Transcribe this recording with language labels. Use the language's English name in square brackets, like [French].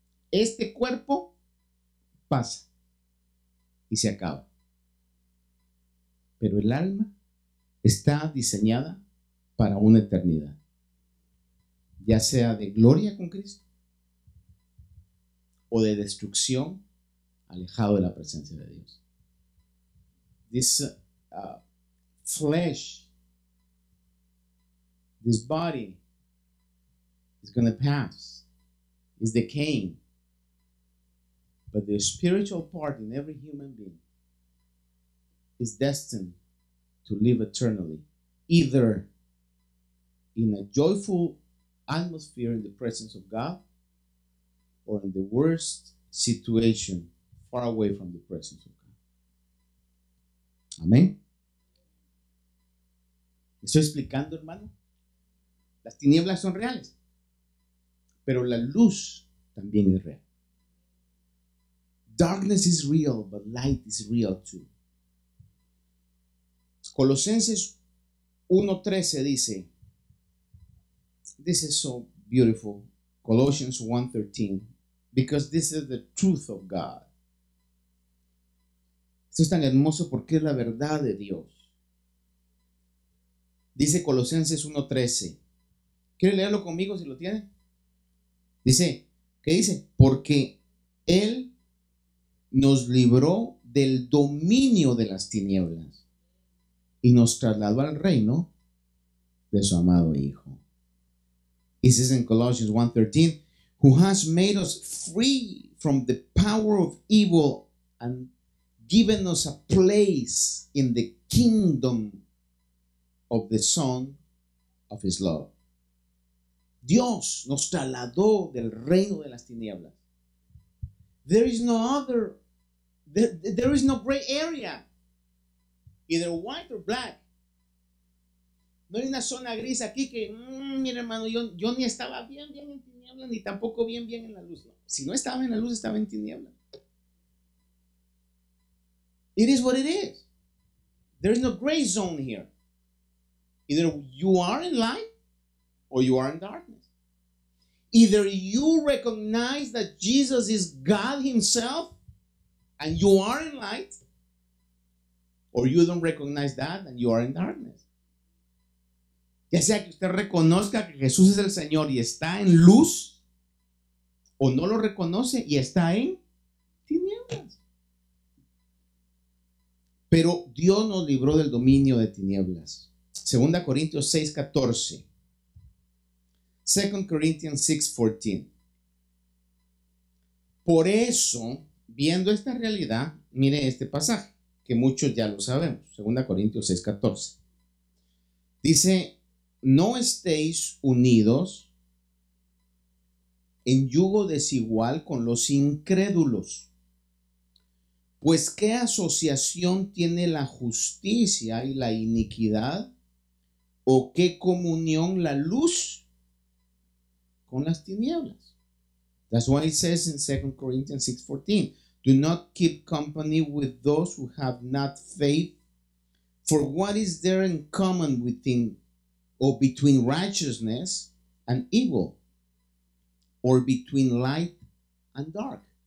[Spanish] Este cuerpo pasa y se acaba, pero el alma está diseñada para una eternidad, ya sea de gloria con Cristo o de destrucción, alejado de la presencia de Dios. [English] This flesh, this body, is going to pass, is decaying. But the spiritual part in every human being is destined to live eternally, either in a joyful atmosphere in the presence of God, or in the worst situation, far away from the presence of God. [Spanish] Amén. ¿Estoy explicando, hermano? Las tinieblas son reales, pero la luz también es real. [English] Darkness is real, but light is real too. [Spanish] Colosenses 1:13 dice, [English] this is so beautiful, Colossians 1:13, because this is the truth of God. [Spanish] Esto es tan hermoso porque es la verdad de Dios. Dice Colosenses 1:13. ¿Quiere leerlo conmigo si lo tiene? Dice, ¿qué dice? Porque Él nos libró del dominio de las tinieblas y nos trasladó al reino de su amado Hijo. [English] It says in Colossians 1:13, who has made us free from the power of evil and given us a place in the kingdom of the Son of His love. [Spanish] Dios nos trasladó del reino de las tinieblas. [English] There is no other, there is no gray area, either white or black. [Spanish] No hay una zona gris aquí que, mira hermano, yo ni estaba bien en tinieblas, ni tampoco bien en la luz. No. Si no estaba en la luz, estaba en tinieblas. [English] It is what it is. There is no gray zone here. Either you are in light or you are in darkness. Either you recognize that Jesus is God Himself and you are in light, or you don't recognize that and you are in darkness. [Spanish] Ya sea que usted reconozca que Jesús es el Señor y está en luz, o no lo reconoce y está en tinieblas. Pero Dios nos libró del dominio de tinieblas. 2 Corintios 6:14. 2 Corintios 6:14. Por eso, viendo esta realidad, mire este pasaje, que muchos ya lo sabemos. 2 Corintios 6:14. Dice, no estéis unidos en yugo desigual con los incrédulos. Pues, ¿qué asociación tiene la justicia y la iniquidad? ¿O qué comunión la luz con las tinieblas? [English] That's why it says in 2 Corinthians 6:14, do not keep company with those who have not faith. For what is there in common within or between righteousness and evil, or between light and dark?